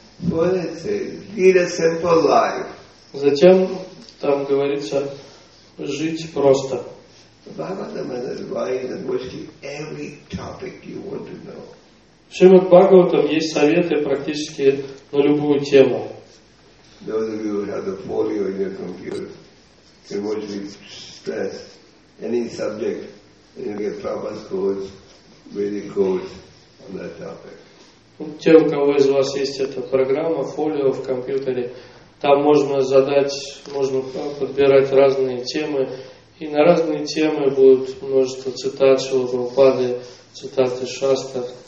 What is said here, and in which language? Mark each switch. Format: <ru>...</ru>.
<en>What it says, lead a simple life.</en> <ru>Затем там говорится жить просто. Шримад Бхагаватам есть советы практически на любую тему.</ru> <en>Those of you who have the folio in your computer can mostly stress any subject and you'll get Prabhupada's codes, Vedic codes on that topic.</en> <ru>Те, у кого из вас есть эта программа, фолио в компьютере, там можно задать, можно подбирать разные темы, и на разные темы будут множество цитат Шрилы Прабхупады, цитаты шастр.</ru>